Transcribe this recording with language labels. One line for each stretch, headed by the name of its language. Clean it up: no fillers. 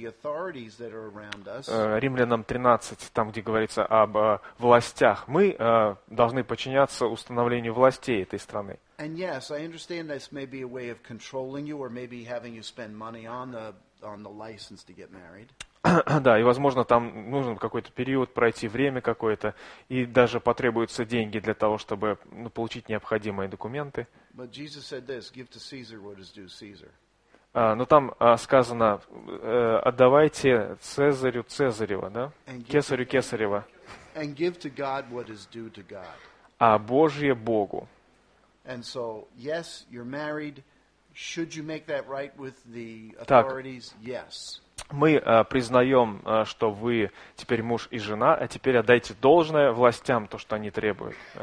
Russian: Римлянам 13, там, где говорится об властях, мы должны подчиняться установлению властей этой страны.
English: And yes, I understand this may be a way of controlling you or maybe having you spend money on the license to get married.
Russian: Да, и, возможно, там нужен какой-то период, пройти время какое-то, и даже потребуются деньги для того, чтобы получить необходимые документы.
English: But Jesus said this, give to Caesar what is due Caesar.
Russian: Но там сказано, отдавайте Цезарю Цезарева, да? Кесарю Кесарева.
English: And give to God what is due to God.
Russian: А Божье Богу.
English: And so, yes, you're married, Should you make that right with the authorities?
Russian: Так.
English: Yes.
Russian: Мы признаем, что вы теперь муж и жена, а теперь отдайте должное властям, то, что они требуют.